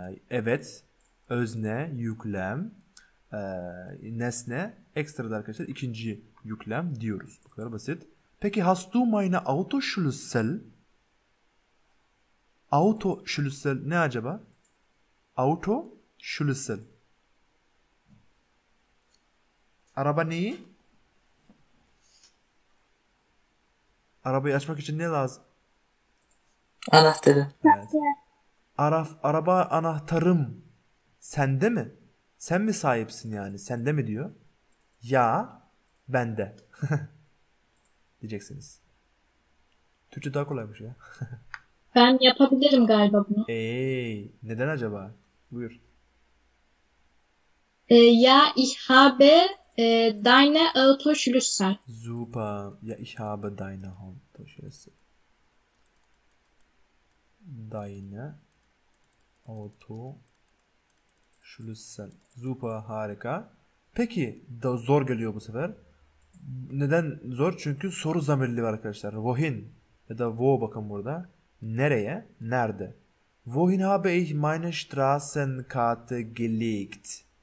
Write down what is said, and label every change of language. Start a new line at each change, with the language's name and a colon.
Turkish: Evet, özne, yüklem, nesne, ekstra da arkadaşlar ikinci yüklem diyoruz. Bu kadar basit.
German: Peki hast du meine Autoschlüssel?
Turkish: Autoschlüssel ne acaba? Auto Schlüssel. Araba neyi? Arabayı açmak için ne lazım? Anahtarı. Evet. Araba anahtarım. Sende mi? Sen mi sahipsin yani? Sende mi diyor? Ya bende. Diyeceksiniz. Türkçe daha kolaymış ya. Ben yapabilirim galiba bunu. Neden acaba? Buyur.
German: Ya ich habe deine Autoschlüssel. Super. Ya ich habe deine Autoschlüssel. Deine Auto Schlüssel.
Turkish: Super, harika. Peki, da zor geliyor bu sefer. Neden zor? Çünkü soru zamirli var arkadaşlar. Wohin ya da wo, bakın burada. Nereye? Nerede?
German: Wohin habe ich meine Straßenkarte gelegt?